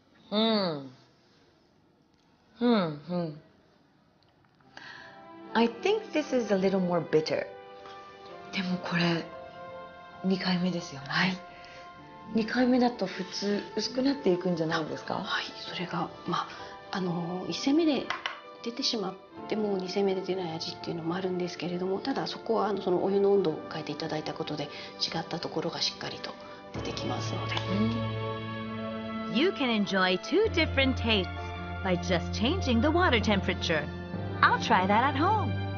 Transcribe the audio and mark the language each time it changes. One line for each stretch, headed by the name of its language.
English: I think this is a little more bitter.
Japanese: でもこれ2回目ですよね。はい。 2回目だと普通薄くなっていくんじゃないですか。はい、それがまあ。あの1煎目で出てしまってもう2煎目で出ない味っていうのもあるんですけれども、ただそこはあのそのお湯の温度を変えていただいたことで違ったところがしっかりと出てきますので、
English: You can enjoy two different tastes by just changing the water temperature. I'll try that at home.